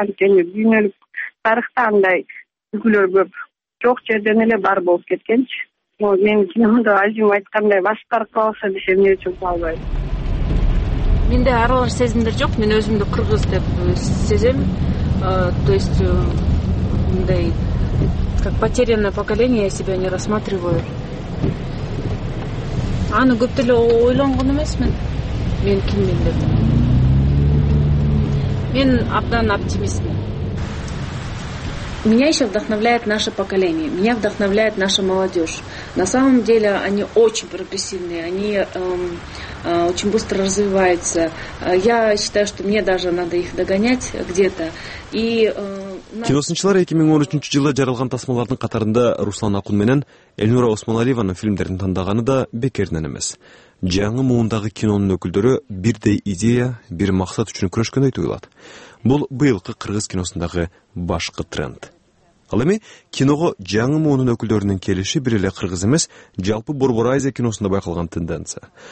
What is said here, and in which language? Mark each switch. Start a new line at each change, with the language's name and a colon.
Kyrgyz: Анткени дүйнөлүк тарыхта андай үлгүлөр көп, жок жерден эле бар болуп кеткенчи. Менин киномдо азим айткандай, башкарып калса биз эмне үчүн калбайбыз? Менде аралаш сезимдер жок, мен өзүмдү кыргыз деп сезем.
Russian: То есть мындай как потерянное поколение я себя не рассматриваю.
Kyrgyz: Аны көп деле ойлонгон эмесмин мен кимин деп. Мен абдан оптимистмин.
Russian: Меня еще вдохновляет наше поколение, меня вдохновляет наша молодежь. На самом деле они очень прогрессивные, они очень быстро развиваются. Я считаю, что мне даже надо их догонять где-то. И
Kyrgyz: киносунчулар 2013 жылда жаралган тасмалардын катарында Руслан Акун менен Элнура Осмоналиеванын фильмдерин тандаганы да бекеринен эмес. Жаңы муундагы кинонун өкүлдөрү бирдей идея, бир максат үчүн күрөшкөндөй туюлат. Бул быйылкы кыргыз киносундагы башкы тренд. Ал эми киного жаңы муунун өкүлдөрүнүн келиши бир эле кыргыз эмес, жалпы Борбор Азия киносунда байкалган тенденция.